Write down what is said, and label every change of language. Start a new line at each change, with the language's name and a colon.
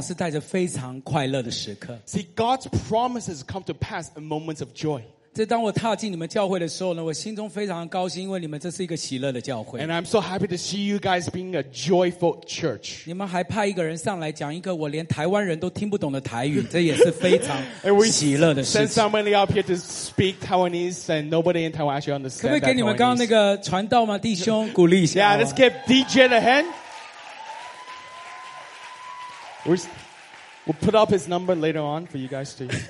Chinese: 你要知道上帝的应许成就往往是带着非常快乐的时刻。
English: See, God's promises come to pass in moments of joy.
Chinese: 这当我踏进你们教会的时候呢，我心中非常高兴，因为你们这是一个喜乐的教会。
English: And I'm so happy to see you guys being a joyful church.
Chinese: 你们还派一个人上来讲一个我连台湾人都听不懂的台语，这也是非常喜乐的事情。
English: Send somebody up here to speak Taiwanese and nobody in Taiwan actually understands.
Chinese: 可不可以给你们刚刚那个传道吗，弟兄鼓励一下？
English: Yeah, let's give DJ a hand. We'll put up his number later on for you guys to.